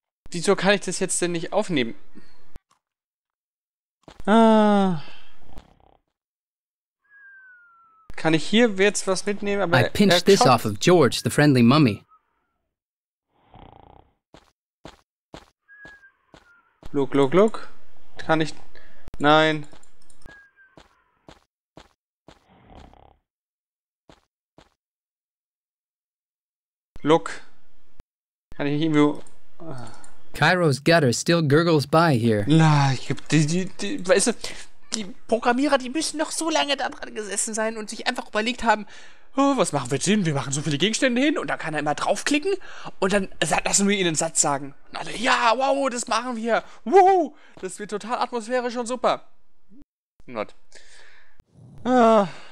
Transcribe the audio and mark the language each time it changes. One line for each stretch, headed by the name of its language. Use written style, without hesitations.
German: Wieso kann ich das jetzt denn nicht aufnehmen? Ah. Kann ich hier jetzt was mitnehmen? Aber
English: I pinched this off of George, the friendly mummy. Look, look, look.
German: Kann ich... Nein.
English: Look.
German: Kann ich irgendwo...
English: Cairo's gutter still gurgles by here.
German: Na, ich hab... Weißt du... Die Programmierer, die müssen noch so lange da dran gesessen sein und sich einfach überlegt haben, oh, was machen wir denn? Wir machen so viele Gegenstände hin und da kann er immer draufklicken und dann lassen wir ihnen einen Satz sagen. Und alle, ja, wow, das machen wir. Woo, das wird total atmosphärisch und super. Not. Ja.